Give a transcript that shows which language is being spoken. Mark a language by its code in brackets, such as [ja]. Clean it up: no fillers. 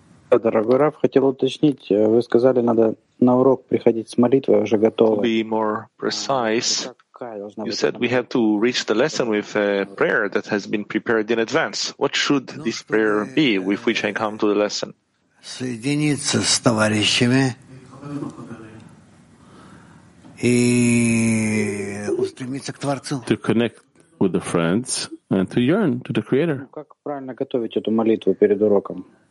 [ru] Дорогой Рав, хотел уточнить. Вы сказали, надо на урок приходить с молитвой уже готовой. [en] To be more precise, you said we have to reach the lesson with a prayer that has been prepared in advance. What should this prayer be with which I come to the lesson? [ru] Соединиться с товарищами и устремиться к Творцу. [en] To connect with the friends and to yearn to the Creator. [ru] Как правильно готовить эту молитву перед уроком?